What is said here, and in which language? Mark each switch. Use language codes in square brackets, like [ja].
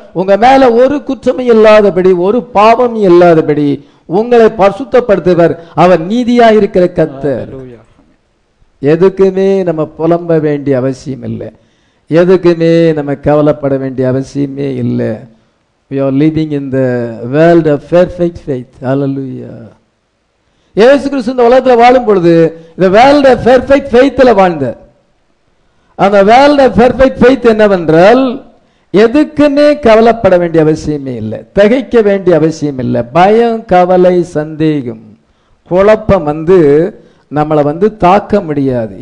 [ta] உங்க மேல ஒரு குற்றமும் இல்லாதபடி, ஒரு பாவமும் இல்லாதபடி உங்களை பரிசுத்தப்படுத்துவர். அவர் நீதியா இருக்கிற கர்த்தர். எதுக்குமே நம்ம புலம்ப வேண்டிய அவசியம் இல்லை, எதுக்குமே நம்ம கவலைப்பட வேண்டிய அவசியமே இல்லை. [en] We are living in the world of perfect faith. Hallelujah. [ta] இயேசு கிறிஸ்து இந்த உலகத்தில் வாழும் பொழுது இந்த [en] world of perfect faith- [ta] ல வாழ்ந்த. அந்த [en] world of perfect faith [ta] என்னவென்றால், எதுக்குமே கவலைப்பட வேண்டிய அவசியமே இல்லை, திகைக்க வேண்டிய அவசியம் இல்லை. பயம், கவலை, சந்தேகம், குழப்பம் வந்து நம்மளை வந்து தாக்க முடியாது.